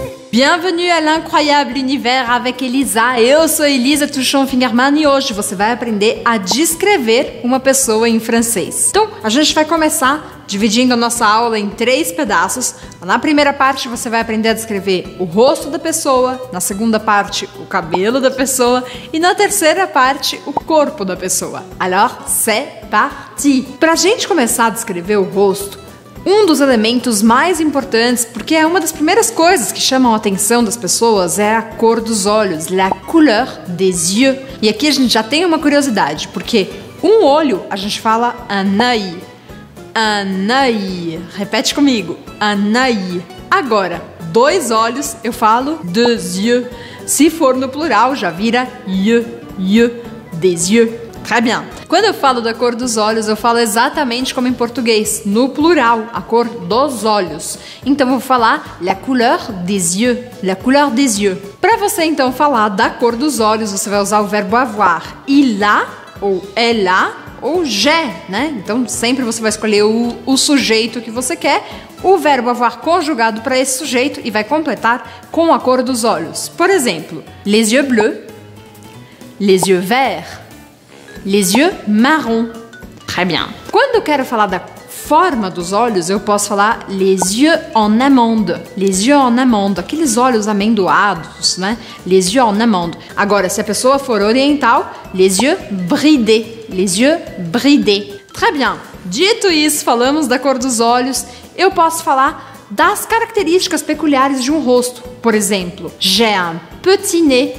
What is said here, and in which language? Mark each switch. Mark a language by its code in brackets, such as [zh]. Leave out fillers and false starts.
[fr] Bienvenue à l'incroyable univers avec Elisa. [pt] Eu sou Elisa Tuchon-Fingerman e hoje você vai aprender a descrever uma pessoa em francês. Então, a gente vai começar dividindo a nossa aula em três pedaços. Na primeira parte, você vai aprender a descrever o rosto da pessoa. Na segunda parte, o cabelo da pessoa. E na terceira parte, o corpo da pessoa. [fr] Alors, c'est parti! [pt] Pra gente começar a descrever o rosto, um dos elementos mais importantes, porque é uma das primeiras coisas que chamam a atenção das pessoas, é a cor dos olhos, [fr] la couleur des yeux. [pt] E aqui a gente já tem uma curiosidade, porque um olho a gente fala [fr] un œil. Un œil. [pt] Repete comigo, [fr] un œil. [pt] Agora, dois olhos eu falo [fr] deux yeux. [pt] Se for no plural, já vira [fr] yeux, yeux, des yeux. Très bien. [pt] Quando eu falo da cor dos olhos, eu falo exatamente como em português, no plural, a cor dos olhos. Então vou falar [fr] la couleur des yeux, la couleur des yeux. [pt] Para você então falar da cor dos olhos, você vai usar o verbo avoir. [fr] Il a, ou elle a, ou j'ai, [pt] né? Então sempre você vai escolher o sujeito que você quer, o verbo avoir conjugado para esse sujeito e vai completar com a cor dos olhos. Por exemplo, [fr] les yeux bleus, les yeux verts. Les yeux marrons. Très bien. [pt] Quando eu quero falar da forma dos olhos, eu posso falar [fr] les yeux en amande. Les yeux en amande. [pt] Aqueles olhos amendoados, né? [fr] Les yeux en amande. [pt] Agora, se a pessoa for oriental, [fr] les yeux bridés. Les yeux bridés. Très bien. [pt] Dito isso, falamos da cor dos olhos, eu posso falar das características peculiares de um rosto. Por exemplo, [fr] j'ai un petit nez.